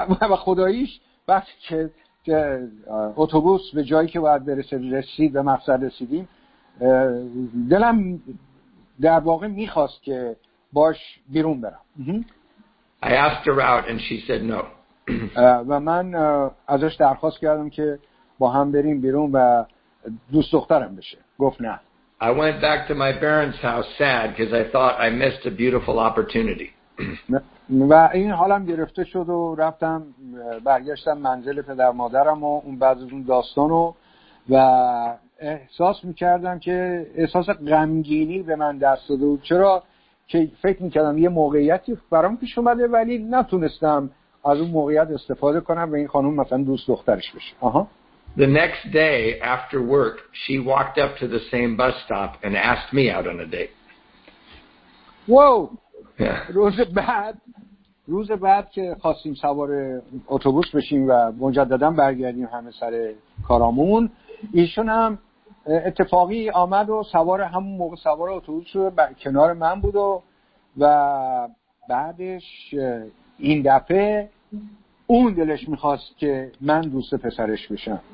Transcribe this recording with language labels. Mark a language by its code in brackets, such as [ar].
[fa] و خداییش وقتی که اتوبوس به جایی که باید برسه رسید به مقصد رسیدیم دلم در واقع میخواست که باش بیرون برم. [en] I asked her out and she said no. [fa] و من ازش درخواست کردم که با هم بریم بیرون و دوست دخترم بشه. گفت نه. [en] I went back to my parents' house sad because I thought I missed a beautiful opportunity. [fa] و این حالم گرفته شد و رفتم برگشتم منزل پدر مادرم و اون بعد از اون داستانو و احساس میکردم که احساس غمگینی به من دست داده بود. چرا که فکر میکردم یه موقعیتی برام پیش اومده ولی نتونستم از اون موقعیت استفاده کنم و این خانم مثلا دوست دخترش بشه. آها. [en] The next day after work she walked up to the same bus stop and asked me out on a date. Whoa. Yeah. [fa] روز بعد که خواستیم سوار اتوبوس بشیم و مجددا برگردیم همه سر کارامون ایشون هم اتفاقی آمد و سوار همون موقع سوار اتوبوس کنار من بود و بعدش این دفعه اون دلش میخواست که من دوست پسرش بشم.